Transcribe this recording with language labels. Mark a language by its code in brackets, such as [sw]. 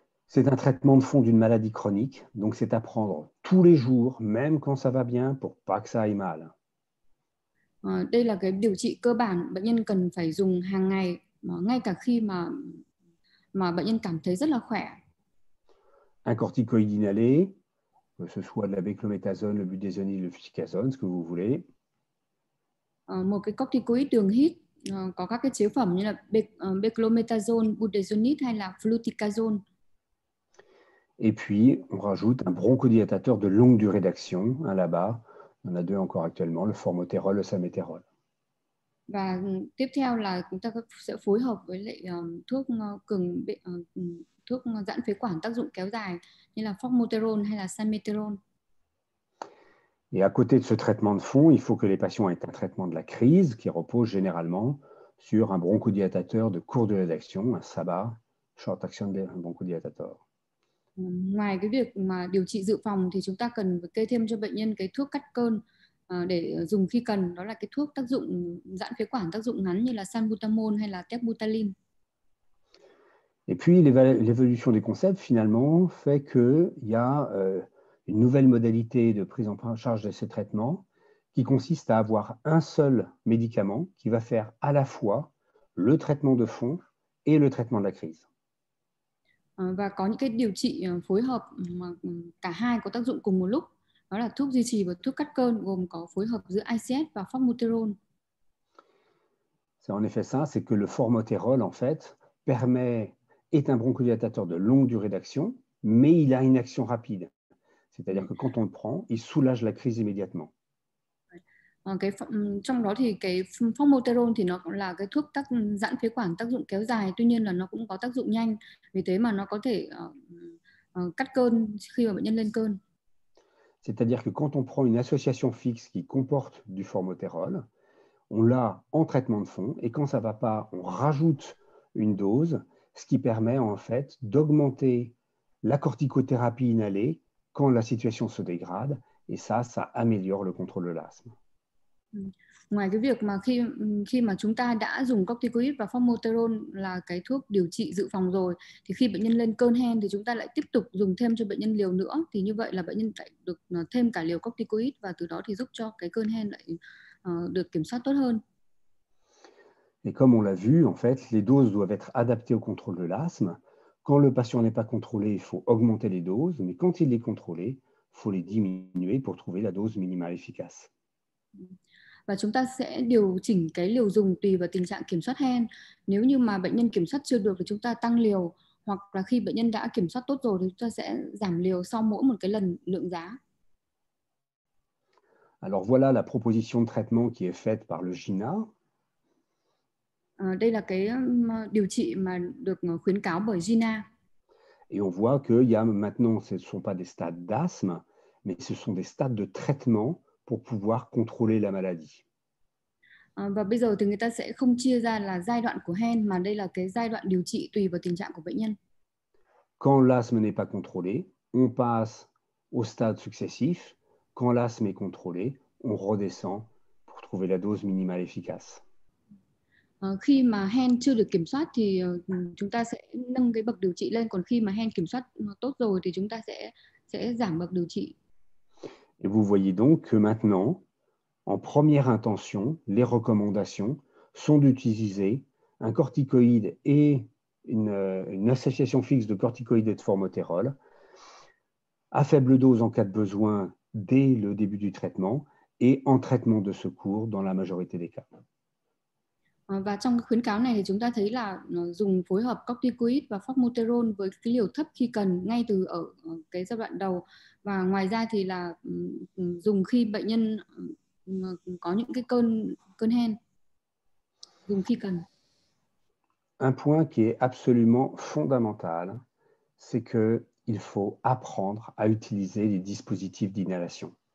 [fr] C'est un traitement de fond d'une maladie chronique, donc c'est à prendre tous les jours, même quand ça va bien, pour pas que ça aille mal. [vi] Đây là cái điều trị cơ bản bệnh nhân cần phải dùng hàng ngày ngay cả khi mà bệnh nhân cảm thấy rất là khỏe. [fr] Un corticoïde inhalé, que ce soit de la béclométasone, le budesonide, le ficazone, ce que vous voulez. [vi] Một cái corticoïde đường hít có các cái chế phẩm như là béclométasone, budesonide hay là fluticasone. [fr] Et puis, on rajoute un bronchodilatateur de longue durée d'action, un LABA. On a deux encore actuellement, le formotérol, le saméterol. [vi] Và tiếp theo là chúng ta sẽ phối hợp với lại thuốc cường thuốc giãn phế quản tác dụng kéo dài như là formoterol hay là salmeterol. [fr] Et à côté de ce traitement de fond, il faut que les patients aient un traitement de la crise qui repose généralement sur un bronchodilatateur de courte durée d'action, un SABA, [en] short action bronchodilator. [vi] Ngoài cái việc mà điều trị dự phòng thì chúng ta cần kê thêm cho bệnh nhân cái thuốc cắt cơn để dùng khi cần, đó là cái thuốc tác dụng giãn phế quản tác dụng ngắn như là salbutamol hay là tebutalin. [fr] Et puis l'évolution des concepts finalement fait que il y a une nouvelle modalité de prise en charge de ces traitements qui consiste à avoir un seul médicament qui va faire à la fois le traitement de fond et le traitement de la crise. [vi] Và có những cái điều trị phối hợp mà cả hai có tác dụng cùng một lúc, đó là thuốc duy trì và thuốc cắt cơn gồm có phối hợp giữa ICS và formoterol. [fr] C'est en effet ça, c'est que le formoterol en fait permet est un bronchodilatateur de longue durée d'action, mais il a une action rapide. C'est-à-dire que quand on le prend, il soulage la crise immédiatement. [vi] Cái, trong đó thì cái formoterol thì nó cũng là cái thuốc tác giãn phế quản tác dụng kéo dài, tuy nhiên là nó cũng có tác dụng nhanh, vì thế mà nó có thể cắt cơn khi mà bệnh nhân lên cơn. [fr] C'est-à-dire que quand on prend une association fixe qui comporte du formoterol, on l'a en traitement de fond, et quand ça ne va pas, on rajoute une dose, ce qui permet en fait d'augmenter la corticothérapie inhalée quand la situation se dégrade, et ça améliore le contrôle de l'asthme. [vi] Ngoài cái việc mà khi mà chúng ta đã dùng corticoid và formoterol là cái thuốc điều trị dự phòng rồi, thì khi bệnh nhân lên cơn hen thì chúng ta lại tiếp tục dùng thêm cho bệnh nhân liều nữa, thì như vậy là bệnh nhân lại được thêm cả liều corticoid và từ đó thì giúp cho cái cơn hen lại được kiểm soát tốt hơn. [fr] Et comme on l'a vu, en fait, les doses doivent être adaptées au contrôle de l'asthme. Quand le patient n'est pas contrôlé, il faut augmenter les doses, mais quand il est contrôlé, il faut les diminuer pour trouver la dose minimale efficace. [vi] Và chúng ta sẽ điều chỉnh cái liều dùng tùy vào tình trạng kiểm soát hen. Nếu như mà bệnh nhân kiểm soát chưa được thì chúng ta tăng liều, hoặc là khi bệnh nhân đã kiểm soát tốt rồi thì chúng ta sẽ giảm liều sau mỗi một cái lần lượng giá. [fr] Alors voilà la proposition de traitement qui est faite par le GINA. [vi] Đây là cái điều trị mà được khuyến cáo bởi GINA. [fr] Et on voit que il y a maintenant ce ne sont pas des stades d'asthme, mais ce sont des stades de traitement pour pouvoir contrôler la maladie. [vi] Và bây giờ thì người ta sẽ không chia ra là giai đoạn của hen, mà đây là cái giai đoạn điều trị tùy vào tình trạng của bệnh nhân. [fr] Quand l'asthme n'est pas contrôlé, on passe au stade successif. Quand l'asthme est contrôlé, on redescend pour trouver la dose minimale efficace. [vi] Khi mà hen chưa được kiểm soát thì chúng ta sẽ nâng cái bậc điều trị lên, còn khi mà hen kiểm soát tốt rồi thì chúng ta sẽ giảm bậc điều trị. [fr] Et vous voyez donc que maintenant, en première intention, les recommandations sont d'utiliser un corticoïde et une association fixe de corticoïdes et de formoterol à faible dose en cas de besoin dès le début du traitement et en traitement de secours dans la majorité des cas. [vi] Và trong khuyến cáo này thì chúng ta thấy là dùng phối hợp corticoid và formoterol với cái liều thấp khi cần ngay từ ở cái giai đoạn đầu, và ngoài ra thì là dùng khi bệnh nhân có những cái cơn hen, dùng khi cần. [fr] Un point qui est absolument fondamental, c'est que il faut apprendre à utiliser les dispositifs d'inhalation.